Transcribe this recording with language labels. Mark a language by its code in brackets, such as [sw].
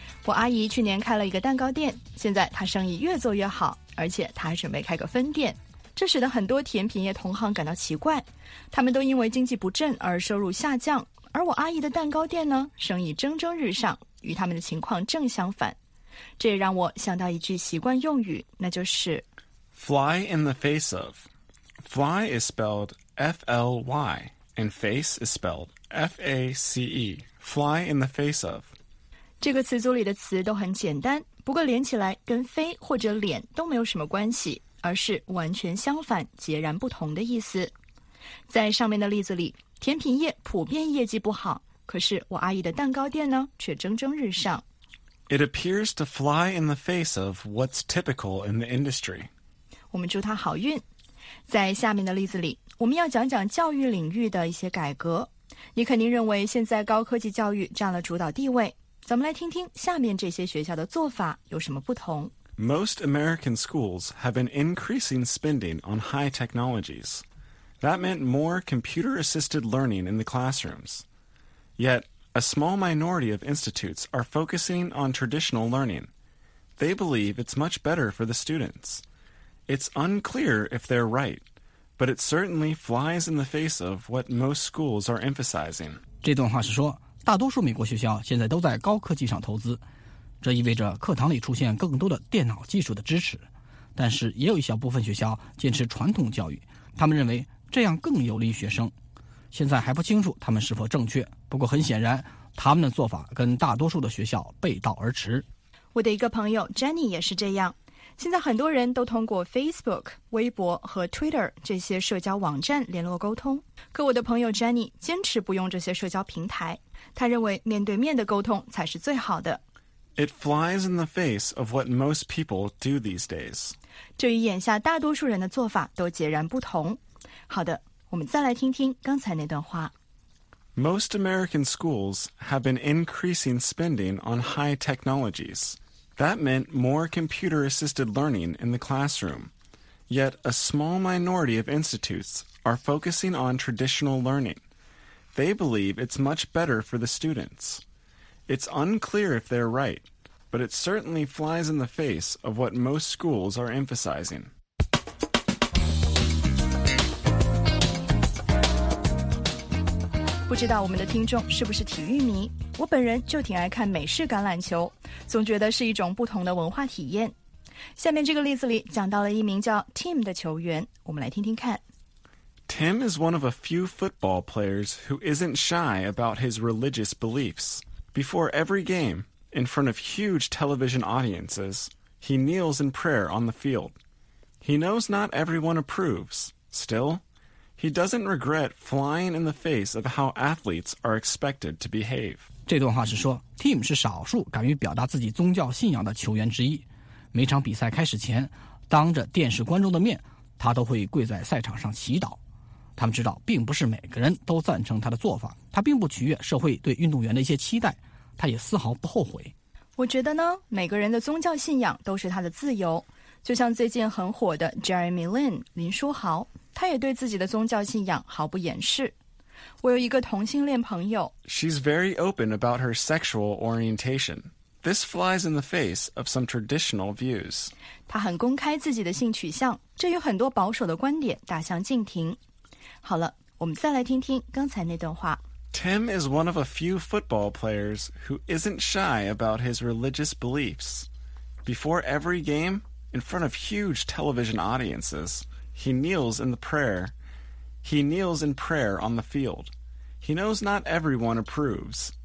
[zh] 我阿姨去年开了一个蛋糕店，现在她生意越做越好，而且她还准备开个分店，这使得很多甜品业同行感到奇怪，他们都因为经济不振而收入下降，而我阿姨的蛋糕店呢，生意蒸蒸日上，与他们的情况正相反。这也让我想到一句习惯用语，那就是 [en] Fly in the face of. Fly is spelledFLY, and face is spelled FACE, fly in the face of. [zh] 这个词组里的词都很简单，不过连起来跟飞或者脸都没有什么关系，而是完全相反，截然不同的意思。在上面的例子里，甜品业普遍业绩不好，可是我阿姨的蛋糕店呢，却蒸蒸日上。 [en] It appears to fly in the face of what's typical in the industry. [zh] 我们祝他好运。在下面的例子里，我们要讲讲教育领域的一些改革。你肯定认为现在高科技教育占了主导地位。咱们来听听下面这些学校的做法有什么不同。 [en] Most American schools have been increasing spending on high technologies. That meant more computer-assisted learning in the classrooms. Yet, a small minority of institutes are focusing on traditional learning. They believe it's much better for the students. It's unclear if they're right. But it certainly flies in the face of what most schools are emphasizing. [zh] 这段话是说，大多数美国学校现在都在高科技上投资，这意味着课堂里出现更多的电脑技术的支持。但是也有一小部分学校坚持传统教育，他们认为这样更有利于学生。现在还不清楚他们是否正确，不过很显然，他们的做法跟大多数的学校背道而驰。我的一个朋友 Jenny 也是这样。现在很多人都通过 Facebook、微博和 Twitter 这些社交网站联络沟通。可我的朋友 Jenny 坚持不用这些社交平台。他认为面对面的沟通才是最好的。 [en] It flies in the face of what most people do these days. [zh] 这与眼下大多数人的做法都截然不同。好的，我们再来听听刚才那段话。 [en] Most American schools have been increasing spending on high technologies. That meant more computer-assisted learning in the classroom. Yet a small minority of institutes are focusing on traditional learning. They believe it's much better for the students. It's unclear if they're right, but it certainly flies in the face of what most schools are emphasizing. [zh] 不知道我们的听众是不是体育迷？我本人就挺爱看美式橄榄球，总觉得是一种不同的文化体验。下面这个例子里讲到了一名叫 Tim 的球员，我们来听听看。 [en] Tim is one of a few football players who isn't shy about his religious beliefs. Before every game, in front of huge television audiences, he kneels in prayer on the field. He knows not everyone approves. Still, he doesn't regret flying in the face of how athletes are expected to behave. [zh] 这段话是说 ,Tim 是少数敢于表达自己宗教信仰的球员之一。每场比赛开始前，当着电视观众的面，他都会跪在赛场上祈祷。他们知道并不是每个人都赞成他的做法，他并不取悦社会对运动员的一些期待，他也丝毫不后悔。我觉得呢，每个人的宗教信仰都是他的自由。就像最近很火的 Jeremy Lin 林书豪，他也对自己的宗教信仰毫不掩饰。我有一个同性恋朋友。 [en] She's very open about her sexual orientation. This flies in the face of some traditional views. [zh] 她很公开自己的性取向，这与很多保守的观点大相径庭。好了，我们再来听听刚才那段话。 [en] Tim is one of a few football players who isn't shy about his religious beliefs. Before every game, in front of huge television audiences, he kneels in the prayer. He kneels in prayer on the field. He knows not everyone approves.